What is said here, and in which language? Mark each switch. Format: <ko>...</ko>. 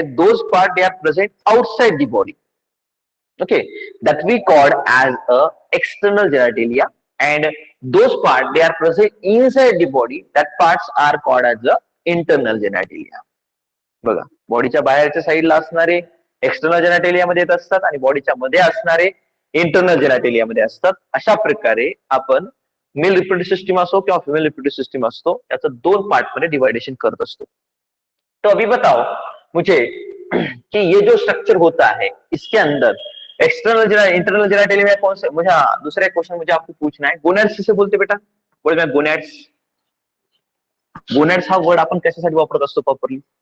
<en>Those part they are present outside the body, okay, that we called as a external genitalia, and those part they are present inside the body, that parts are called as a internal genitalia.</en> <mr>बघा, बॉडीच्या बाहेरच्या साईडला असणारे external genitalia मध्ये येत असतात आणि बॉडीच्या मध्ये असणारे इंटरनल जेनाइटेलिया मध्ये असतात। अशा प्रकारे आपण मेल रिप्रोड्यूटिव्ह सिस्टीम असो किंवा फिमेल रिप्रोड्यूटिव्ह सिस्टीम असतो, त्याचं दोन पार्ट मध्ये डिवायडेशन करत असतो।</mr> <hi>तो अभी बताओ मुझे कि ये जो स्ट्रक्चर होता है इसके अंदर एक्सटर्नल इंटरनल जेनाइटेलिया कौन से? मुझे दूसरा क्वेश्चन मुझे आपको पूछना है, गोनेड्स किसे बोलते बेटा? बोल मैं गोनेड्स, गोनेड्स हा वर्ड अपन कैसे साथ वापरत असतो प्रॉपरली?</hi>